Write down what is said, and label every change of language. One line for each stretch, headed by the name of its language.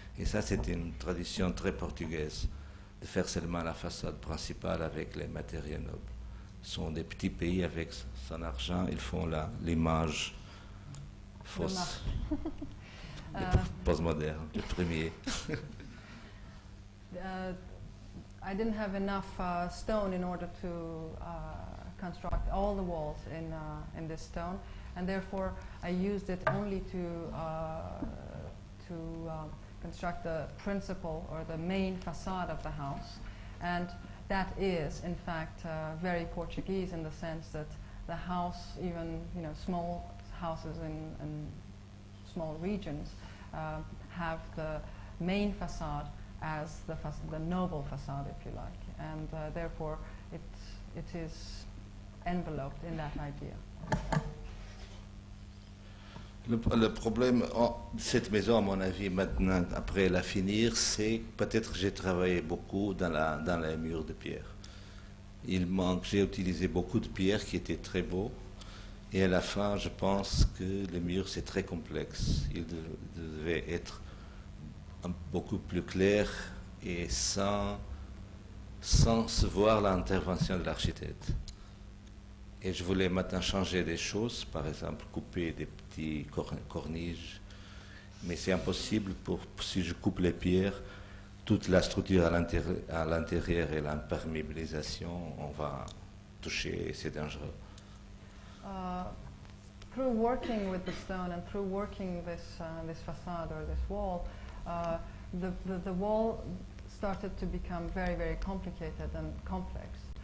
French: Et ça, c'est une tradition très portugaise, de faire seulement la façade principale avec les matériaux nobles. Ce sont des petits pays avec son argent, ils font l'image fausse, le postmoderne, le premier.
English: I didn't have enough stone in order to construct all the walls in this stone, and therefore I used it only to construct the principal or the main facade of the house, and that is in fact very Portuguese in the sense that the house, even you know, small houses in small regions have the main facade as the noble facade, if you like, and therefore it is enveloped in that idea.
French: Le problème de cette maison, à mon avis, maintenant, après la finir, c'est peut-être que j'ai travaillé beaucoup dans les murs de pierre. Il manque, j'ai utilisé beaucoup de pierre qui était très beau, et à la fin, je pense que le mur, c'est très complexe. Il devait être beaucoup plus clair et sans se voir l'intervention de l'architecte. Et je voulais maintenant changer des choses, par exemple couper des petits corniges. Mais c'est impossible, si je coupe les pierres, toute la structure à l'intérieur et l'imperméabilisation, on va toucher et c'est dangereux.
English: Through working with the stone and through working this facade or this wall, the wall started to become very, very complicated and complex.